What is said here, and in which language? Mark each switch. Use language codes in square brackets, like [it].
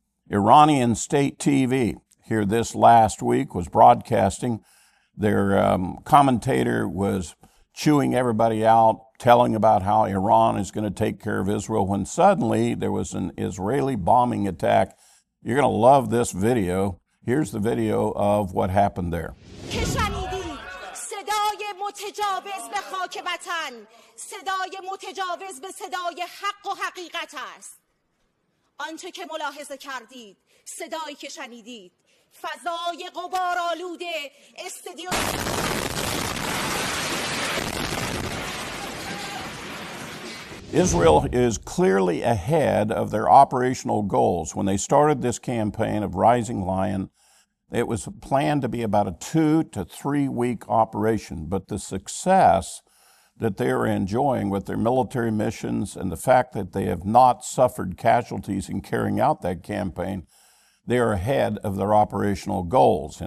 [en] Iranian state TV here this last week was broadcasting. Their commentator was chewing everybody out, telling about how Iran is going to take care of Israel, when suddenly there was an Israeli bombing attack. You're going to love this video. Here's the video of what happened there. [fa] متجاوز به خاک وطن صدای متجاوز به صدای حق و حقیقت است آنچه که ملاحظه کردید صدایی که شنیدید فضای غبارآلود استادیو [en] Israel is clearly ahead of their operational goals. When they started this campaign of Rising Lion, it was planned to be about a 2 to 3 week operation, but the success that they are enjoying with their military missions and the fact that they have not suffered casualties in carrying out that campaign, they are ahead of their operational goals.